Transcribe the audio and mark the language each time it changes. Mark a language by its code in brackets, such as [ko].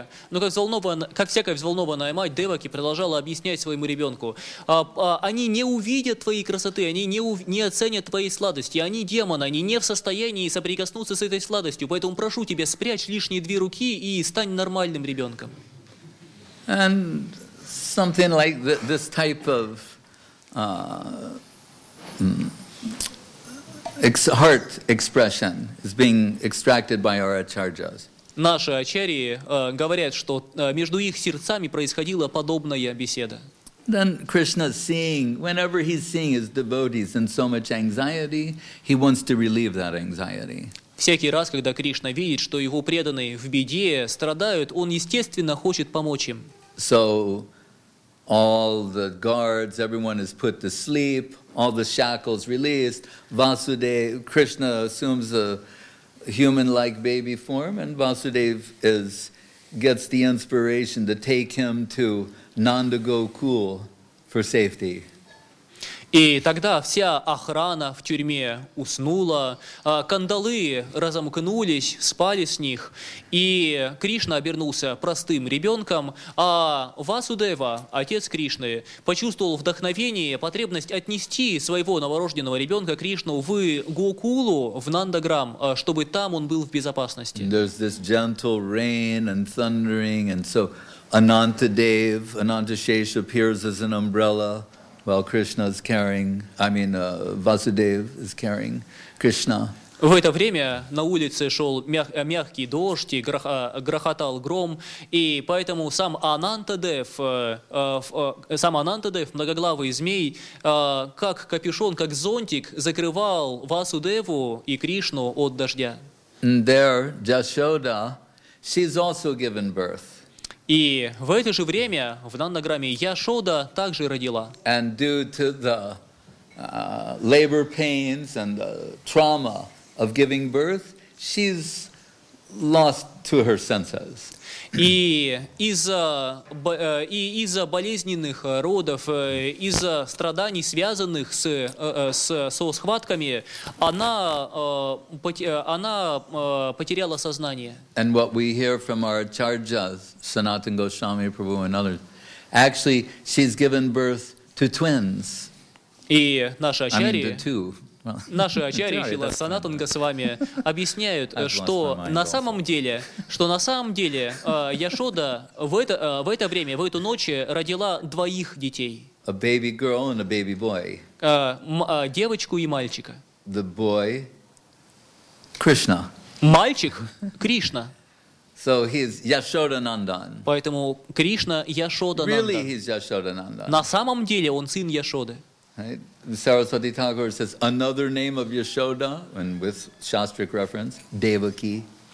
[ru] Но как всякая взволнованная мать Деваки продолжала объяснять своему ребенку, они не увидят твоей красоты, они не оценят твоей сладости, они демоны, они не в состоянии соприкоснуться с этой сладостью, поэтому прошу тебя, спрячь лишние две руки и стань нормальным ребенком. [en] And something like this type of heart expression is being extracted by our acharyas. [ru] Наши ачарьи говорят, что между их сердцами происходила подобная беседа. [en] Then Krishna seeing, whenever he's seeing his devotees in so much anxiety, he wants to relieve that anxiety. [ru] Всякий раз, когда Кришна видит, что его преданные в беде страдают, он естественно хочет помочь им. [en] So all the guards, everyone is put to sleep. All the shackles released. Vasudeva, Krishna assumes a human-like baby form, and Vasudeva gets the inspiration to take him to Nanda Gokul for safety. [ru] И тогда вся охрана в тюрьме уснула, кандалы разомкнулись, спали с них, и Кришна обернулся простым ребенком, а Васудева, отец Кришны, почувствовал вдохновение, потребность отнести своего новорожденного ребенка Кришну в Гокулу, в Нандаграм, чтобы там он был в безопасности. [en] There's this gentle rain and thundering, and so Anantadev, Anantashesha appears as an umbrella. While Krishna is carrying, Vasudev is carrying Krishna. [ru] В это время на улице шел мягкий дождь, и грохотал гром, и поэтому сам Анантадев, многоглавый змей, как капюшон, как зонтик, закрывал Васудеву и Кришну от дождя. [en] And there, Jashoda, she's also given birth. [ru] И в это же время в нанограмме Яшода также родила. [en] And due to the labor pains and the trauma of giving birth, she's lost to her senses. [ru] И из-за болезненных родов, из-за страданий, связанных со схватками, она потеряла сознание. [en] And what we hear from our acharyas, Sanatan Goswami Prabhu and others, actually she's given birth to twins. [ru] И наши ачарьи, наши ачарьи Шрила Санатан Госвами объясняют, что на самом деле Яшода в это время, в эту ночь родила двоих детей. [en] A baby girl and a baby boy. [ru] Девочку и мальчика. [en] The boy, Krishna. [ru] Мальчик Кришна. [en] So he's Yashoda Nandan. [ru] Поэтому Кришна Яшода Нандан. [en] Really, he's Yashoda Nandan. [ru] На самом деле он сын Яшоды. [en] Right. Saraswati Thakur says another name of Yashoda, and with Shastric reference, Devaki.